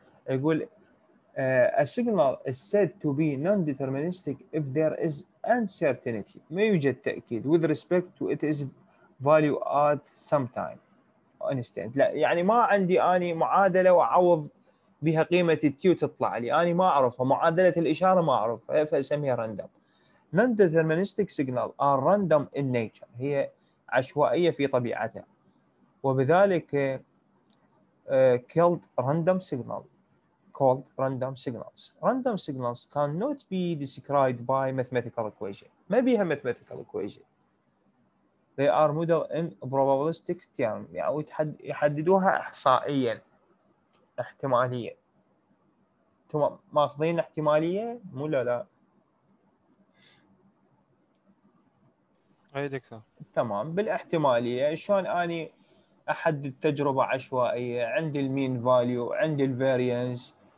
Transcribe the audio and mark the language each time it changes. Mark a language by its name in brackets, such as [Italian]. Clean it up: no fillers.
[Arabic] يقول [English] a signal is said to be non-deterministic if there is uncertainty، ما يوجد تأكيد، with respect to its value at some time instant. [Arabic] لا يعني ما عندي أني معادلة وعوض بها قيمة التيو تطلع لي، أني ما أعرف معادلة الإشارة ما أعرف، فأسميها random. [English] non-deterministic signal are random in nature، [Arabic] هي عشوائية في طبيعتها، وبذلك [English] called random signal. Called random signals. Random signals cannot be described by mathematical equation. Maybe a mathematical equation. They are modeled in probabilistic terms. [Arabic] يعني يحددوها إحصائيا، احتمالية. تمام. ماخذين احتمالية؟ مو لا. أي دكتور. تمام. بالاحتمالية. شلون أني أحدد تجربة عشوائية؟ عندي المين فاليو، عندي الفاريانس.